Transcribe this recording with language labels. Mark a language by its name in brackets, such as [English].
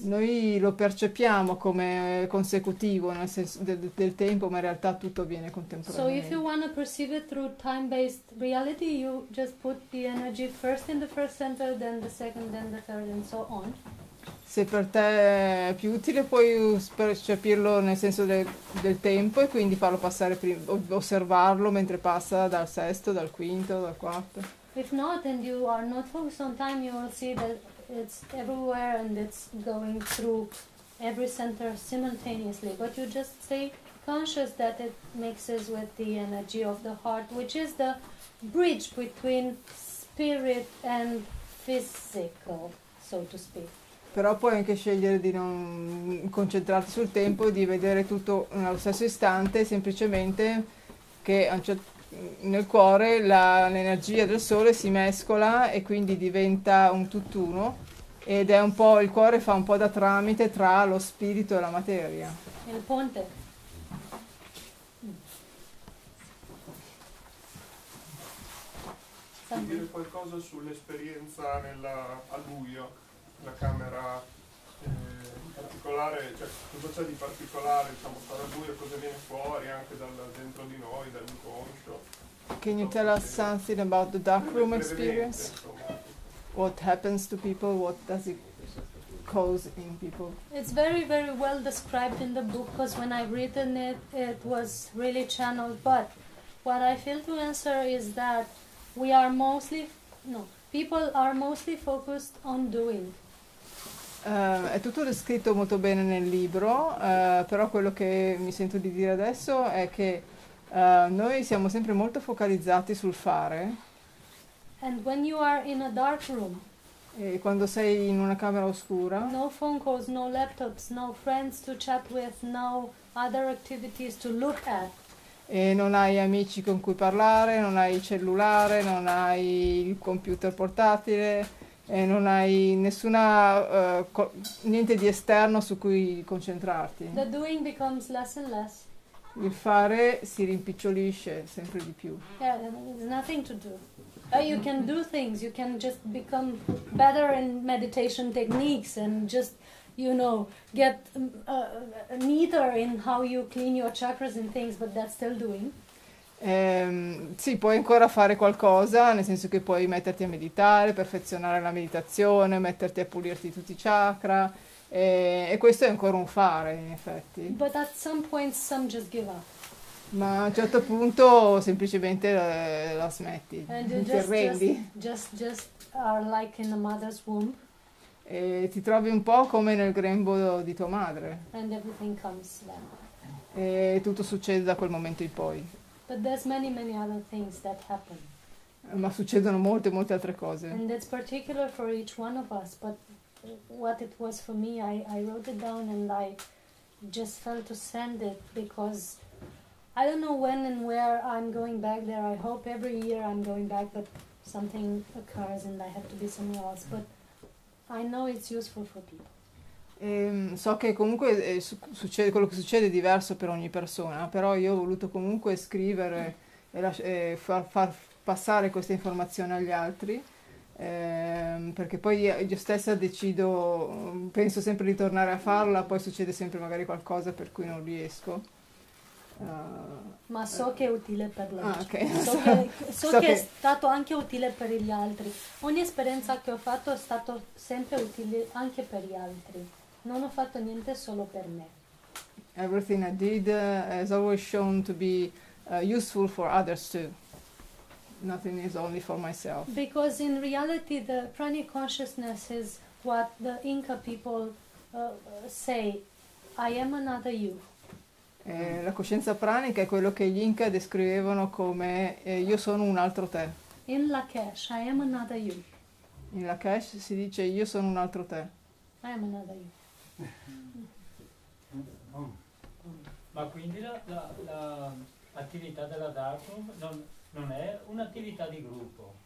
[Italian] Noi lo percepiamo come consecutivo nel senso del tempo, ma in realtà tutto avviene contemporaneamente. [English] So if you want to perceive it through time-based reality, you just put the energy first in the first center, then the second, then the third, and so on. [Italian] Se per te è più utile, puoi percepirlo nel senso del tempo e quindi farlo passare prima, osservarlo mentre passa dal sesto, dal quinto, dal quarto. [English] If not, and you are not focused on time, you will see that it's everywhere and it's going through every center simultaneously. But you just stay conscious that it mixes with the energy of the heart, which is the bridge between spirit and physical, so to speak. [Italian] Però puoi anche scegliere di non concentrarti sul tempo e di vedere tutto nello stesso istante, semplicemente che nel cuore l'energia del sole si mescola e quindi diventa un tutt'uno, ed è un po' il cuore fa un po' da tramite tra lo spirito e la materia. Il ponte. Puoi dire qualcosa sull'esperienza al buio? La camera particolare, cioè cosa c'è di particolare, diciamo, stare al buio, cosa viene fuori anche dentro di noi, dall'inconscio. [English] Can you tell us something about the dark room experience? What happens to people? What does it cause in people? It's very, very well described in the book, because when I written it, it was really channeled. But what I feel to answer is that people are mostly focused on doing. [Italian] È tutto descritto molto bene nel libro, però quello che mi sento di dire adesso è che noi siamo sempre molto focalizzati sul fare. [English] And when you are in a dark room, [Italian] e quando sei in una camera oscura, [English] no phone calls, no laptops, no friends to chat with, no other activities to look at. [Italian] E non hai amici con cui parlare, non hai il cellulare, non hai il computer portatile. E non hai nessuna niente di esterno su cui concentrarti. [English] The doing becomes less and less. [Italian] Il fare si rimpicciolisce sempre di più. [English] Yeah, there's nothing to do. But you can do things, you can just become better in meditation techniques and just, you know, get neater in how you clean your chakras and things, but that's still doing. [Italian] Sì, puoi ancora fare qualcosa, nel senso che puoi metterti a meditare, perfezionare la meditazione, metterti a pulirti tutti i chakra, e questo è ancora un fare, in effetti. [English] But at some point some just give up. [Italian] Ma a un certo punto semplicemente la smetti, ti arrendi. [English] Just are like in the mother's womb. [Italian] E ti trovi un po' come nel grembo di tua madre. [English] And everything comes then. [Italian] E tutto succede da quel momento in poi. [English] But there's many, many other things that happen. [Italian] Ma succedono molte, molte altre cose. [English] And it's particular for each one of us, but what it was for me, I wrote it down and I just felt to send it, because I don't know when and where I'm going back there. I hope every year I'm going back, but something occurs and I have to be somewhere else. But I know it's useful for people. [Italian] So che comunque succede, quello che succede è diverso per ogni persona, però io ho voluto comunque scrivere e far passare questa informazione agli altri, perché poi io stessa decido, penso sempre di tornare a farla, poi succede sempre magari qualcosa per cui non riesco. Ma so che è utile per loro. Ah, okay. So che è stato anche utile per gli altri. Ogni esperienza che ho fatto è stato sempre utile anche per gli altri. Non ho fatto niente solo per me. [English] Everything I did has always shown to be useful for others too. Nothing is only for myself. Because in reality the pranic consciousness is what the Inca people say, I am another you. [Italian] La coscienza pranica è quello che gli Inca descrivevano come io sono un altro te. [English] In Lakesh, I am another you. [Italian] In Lakesh si dice io sono un altro te. [English] I am another you. [Italian] Ma quindi la attività della dark room non è un'attività di gruppo?